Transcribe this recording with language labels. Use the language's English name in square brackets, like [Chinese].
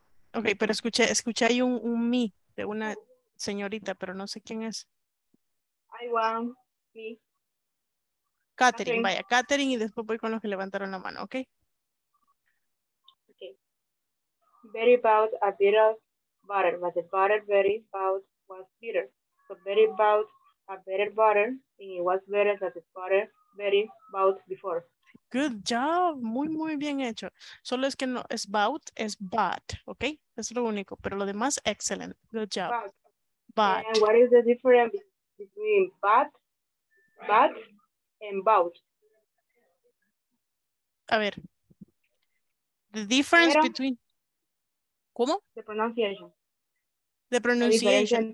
[Spanish] Okay, pero escuché ahí un mi de una... señorita, pero no sé quién es. [English] I want me. Catherine, okay. [Spanish] Vaya, Catherine, y después voy con los que levantaron la mano, ¿ok? [English] Okay. Betty bought a bit of butter, but the butter Betty bought was bitter. So Betty bought a better butter, and it was better than the butter Betty bought before. [Spanish] Good job, muy muy bien hecho. Solo es que no es bought, es bought, ¿ok? Es lo único, pero lo demás excellent. Good job. [English] But. But. And what is the difference between but and bought? [Spanish] A ver. The difference pero, between. ¿Cómo? [English] The pronunciation. The pronunciation.